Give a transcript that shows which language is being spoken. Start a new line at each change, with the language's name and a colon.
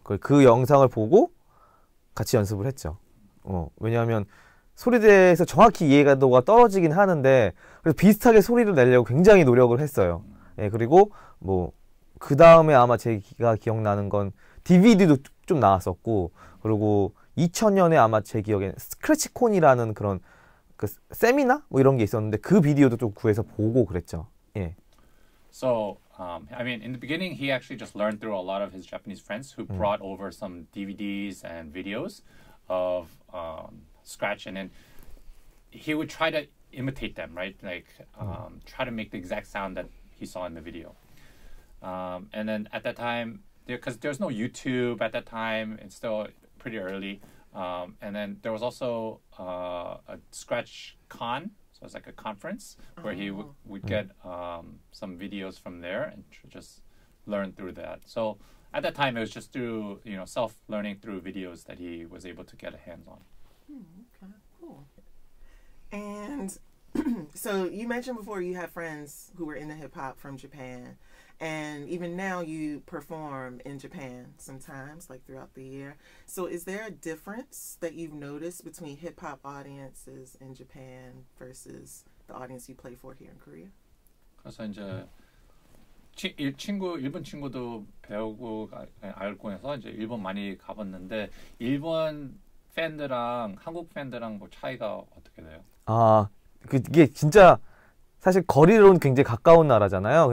Korean: 그 영상을 보고 같이 연습을 했죠. 왜냐하면 소리에 대해서 정확히 이해가도가 떨어지긴 하는데 그래서 비슷하게 소리를 내려고 굉장히 노력을 했어요. 예, 그리고 뭐 그 다음에 아마 제가 기억나는 건 DVD도 좀 나왔었고 그리고 2000년에 아마 제 기억엔 스크래치콘이라는 그런 그 세미나 뭐 이런 게 있었는데 그 비디오도 좀 구해서 보고 그랬죠. 예.
English: So, I mean, in the beginning, he actually just learned through a lot of his Japanese friends who brought over some DVDs and videos of scratch, and then he would try to imitate them, right? Like, try to make the exact sound that he saw in the video. And then at that time, because there was no YouTube at that time, it's still pretty early. And then there was also a Scratch Con, so it's like a conference where he would get some videos from there and just learn through that. So at that time, it was just through, you know, self learning through videos that he was able to get a hands on. And so you mentioned before you have friends who were into hip hop from Japan, and even now you perform in Japan sometimes, like throughout the year. So is there a difference that you've noticed between hip hop audiences in Japan versus the audience you play for here in Korea?
Korean: 그래서 이제 일본 친구도 배우고 알고 해서 이제 일본 많이 가봤는데 일본 팬들랑 한국 팬들랑 뭐 차이가 어떻게 돼요? 아, 그게 진짜 사실 거리로는 굉장히 가까운 나라잖아요.